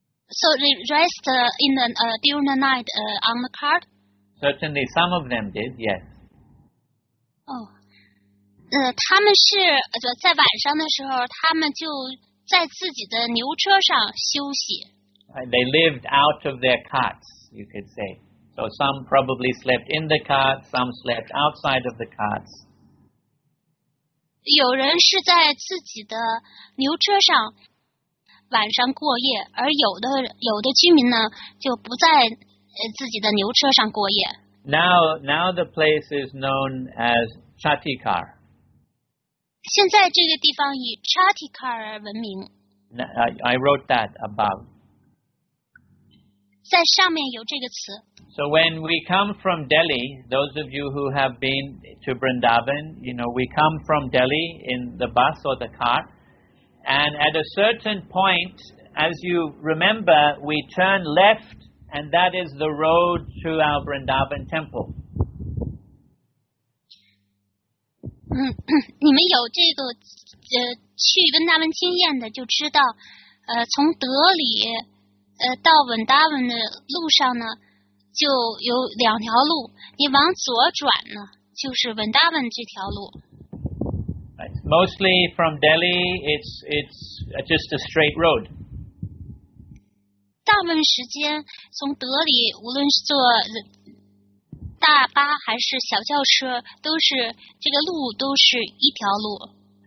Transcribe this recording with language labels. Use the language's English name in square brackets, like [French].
[English] So they rest during the night on the cart? Certainly some of them did, yes. Oh. [Chinese] 他们是在晚上的时候他们就在自己的牛车上休息。 [English] They lived out of their carts, you could say. So some probably slept in the cart, some slept outside of the carts. [Chinese] 有人是在自己的牛车上晚上过夜而有的居民呢就不在自己的牛车上过夜。 [English] Now the place is known as Shatikar. [Chinese] 现在这个地方以 Chatikar 闻名。 [English] I wrote that above. [Chinese] 在上面有这个词。 [English] So when we come from Delhi, those of you who have been to Vrindavan, you know, we come from Delhi in the bus or the car. And at a certain point, as you remember, we turn left, and that is the road to our Vrindavan temple. [Chinese] 你们有这个去温达文经验的就知道从德里到温达文的路上呢就有两条路，你往左转呢就是温达文这条路。 [English] Mostly from Delhi, it's just a straight road. [Chinese] 大部分时间从德里，无论是坐大巴还是小轿车，都是这个路都是一条路。